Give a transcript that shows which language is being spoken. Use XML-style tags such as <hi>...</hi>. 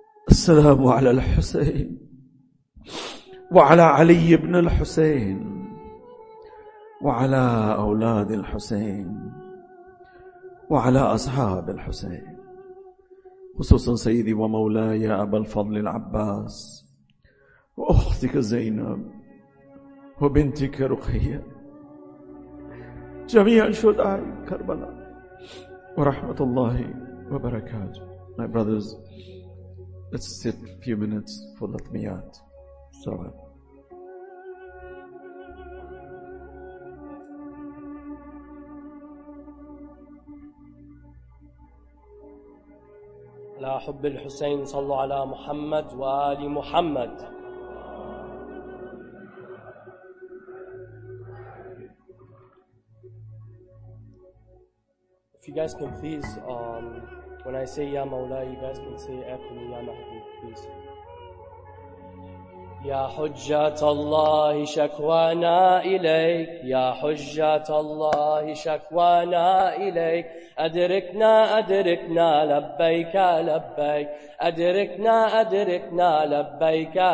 <ar>السلام على الحسين وعلى علي بن الحسين وعلى أولاد الحسين وعلى أصحاب الحسين خصوصا سيدي ومولاي أبا الفضل العباس وأختك زينب وبنتك رقية جميع شهداء كربلاء ورحمة الله وبركاته.</ar> <en>My brothers, let's sit a few minutes for Latmiyat.</en> <ar>Salam. على حب الحسين صلوا على محمد وآل محمد.</ar> <en>If you guys can please, when I say Ya Mawla, you guys can say after me Ya Mahdi, please.</en> <ar>يا حجة الله شكوانا إليك يا حجة الله شكوانا إليك أدركنا أدركنا لبيك لبيك أدركنا أدركنا لبيك</ar>